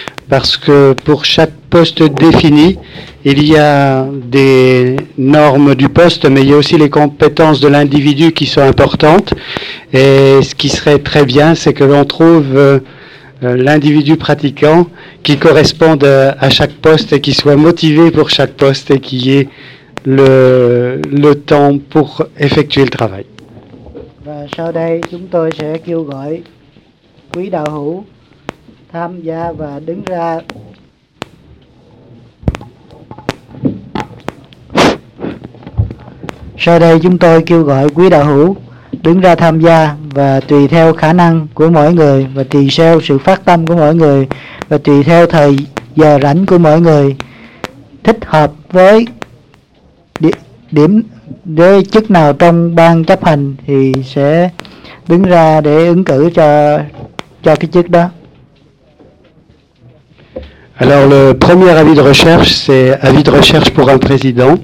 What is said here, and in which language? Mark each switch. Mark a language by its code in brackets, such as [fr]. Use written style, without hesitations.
[fr] Parce que pour chaque poste défini, il y a des normes du poste, mais il y a aussi les compétences de l'individu qui sont importantes. Et ce qui serait très bien, c'est que l'on trouve... l'individu pratiquant qui corresponde à chaque poste et qui soit motivé pour chaque poste et qui ait le temps pour effectuer le travail. [vi] Và sau đây chúng tôi sẽ kêu gọi quý đạo hữu tham gia và đứng ra sau đây chúng tôi kêu gọi quý đạo hữu đứng ra tham gia và tùy theo khả năng của mỗi người và tùy theo sự phát tâm của mỗi người và tùy theo thời giờ rảnh của mỗi người thích hợp với điểm đế chức nào trong ban chấp hành thì sẽ đứng ra để ứng cử cho cái chức đó. [fr] Alors le premier avis de recherche, c'est avis de recherche pour un président.